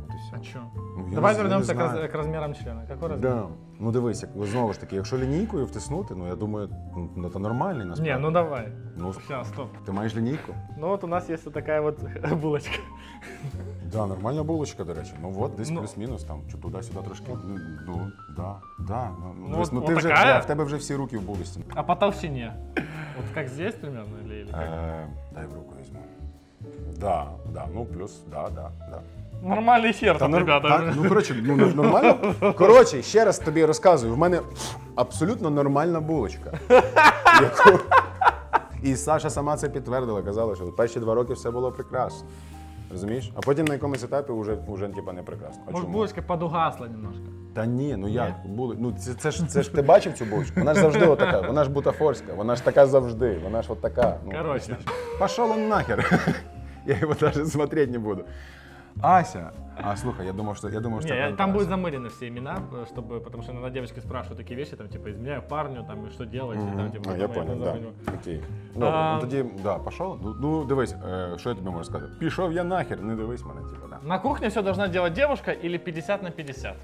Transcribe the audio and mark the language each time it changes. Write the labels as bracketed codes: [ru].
[uk] От і все. А що? Ну, давай вернемося к розмірам члена. Какого розміру? Да. Ну, дивись, знову ж таки, якщо лінійкою втиснути, ну, я думаю, ну, це нормальний, насправді. Ні, ну, давай. Ну, сейчас, стоп. Ти маєш лінійку? Ну, от у нас є така от булочка. Да, нормальна булочка, до речі. Ну, от, десь ну, плюс-мінус, там, чи туди-сюди трошки. Ну, ну, да, да. Ну, десь, ну ти вже, да, в тебе вже всі руки в булочці. А по толщині? От як [ru] здесь, примерно, или [uk] як? Дай в руку візьму. Да, да, ну, плюс, да, да, да. Нормальний хер там, ребята. Ну, короче, ну, нормально. Короче, ще раз тобі розказую. В мене абсолютно нормальна булочка. Яку... І Саша сама це підтвердила, казала, що перші 2 роки все було прекрасно. Розумієш? А потім на якомусь етапі вже типа не прекрасно. Може, булочка подугасла немножко. Та ні, ну як? Ну, це ж ти бачив цю булочку? Вона ж завжди отака. Вона ж бутафорська. Вона ж така завжди. Вона ж отака. Ну, короче. [ru] Пошел он нахер. [uk] Я його навіть смотреть не буду. Ася. А, слухай, я думав, что... [ru] Не, там будут замылены все имена, чтобы, потому что иногда девочки спрашивают такие вещи, там, типа, изменяю парню, там, и что делать, mm-hmm. и там, типа... А, я понял, да. Окей. Ну, тогда, да, пошел. Ну, дивись, что я тебе могу сказать? [uk] Пішов я нахер, не дивись меня, типа, да. [ru] На кухне все должна делать девушка или 50 на 50?